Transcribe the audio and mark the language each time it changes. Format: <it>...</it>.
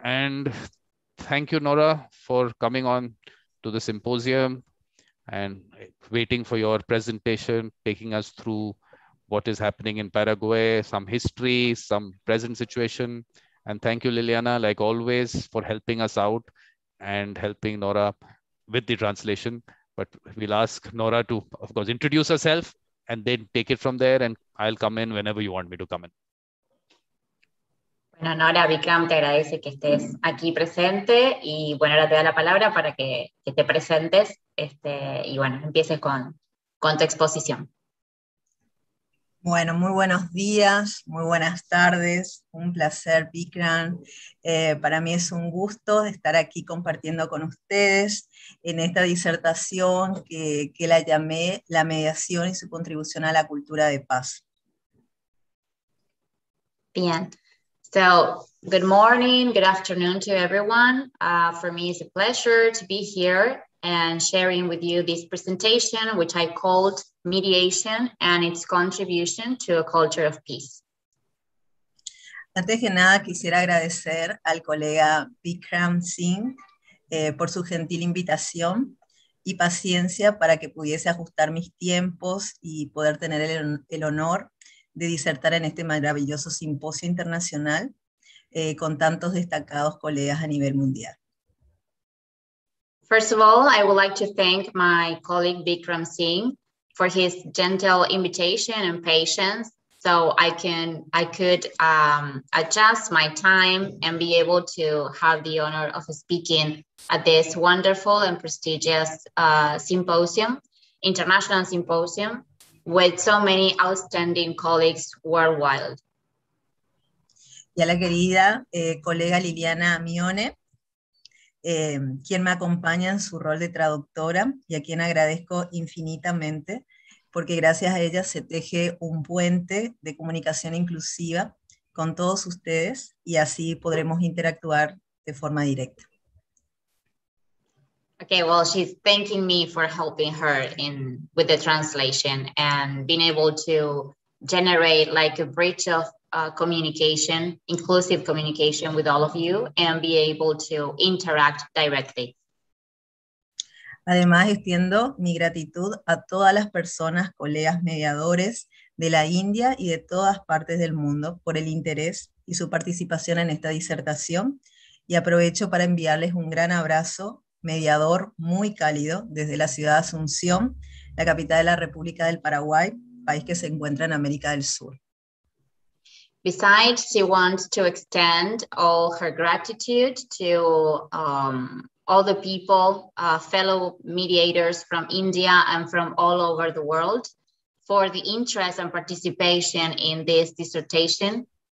<en>And thank you, Nora, for coming on to the symposium and waiting for your presentation, taking us through what is happening in Paraguay, some history, some present situation. And thank you, Liliana, like always, for helping us out and helping Nora with the translation. But we'll ask Nora to, of course, introduce herself and then take it from there. And I'll come in whenever you want me to come in.</en> <es>Bueno, Nora, Vikram, te agradece que estés aquí presente y bueno, ahora te da la palabra para que te presentes y bueno, empieces con tu exposición. Bueno, muy buenos días, muy buenas tardes, un placer, Vikram. Para mí es un gusto estar aquí compartiendo con ustedes en esta disertación que la llamé La mediación y su contribución a la cultura de paz.</es> <en>Bien. So, good morning, good afternoon to everyone. For me, it's a pleasure to be here and sharing with you this presentation, which I called Mediation and its Contribution to a Culture of Peace.</en> <es>Antes que nada, quisiera agradecer al colega Vikram Singh por su gentil invitación y paciencia para que pudiese ajustar mis tiempos y poder tener el honor de disertar en este maravilloso simposio internacional con tantos destacados colegas a nivel mundial.</es> <en>First of all, I would like to thank my colleague Vikram Singh for his gentle invitation and patience so I could adjust my time and be able to have the honor of speaking at this wonderful and prestigious symposium, international symposium, with so many outstanding colleagues worldwide.</en> <es>Y a la querida colega Liliana Mione, quien me acompaña en su rol de traductora, y a quien agradezco infinitamente, porque gracias a ella se teje un puente de comunicación inclusiva con todos ustedes, y así podremos interactuar de forma directa.</es> <en>Okay, well, she's thanking me for helping her with the translation and being able to generate like a bridge of communication, inclusive communication with all of you and be able to interact directly.</en> <es>Además, extiendo mi gratitud a todas las personas, colegas mediadores de la India y de todas partes del mundo por el interés y su participación en esta disertación. Y aprovecho para enviarles un gran abrazo mediador muy cálido desde la ciudad de Asunción, la capital de la República del Paraguay, país que se encuentra en América del Sur.</es> <en>Besides, she wants to extend all her gratitude to all the people, fellow mediators from India and from all over the world for the interest and participation in this dissertation.</en>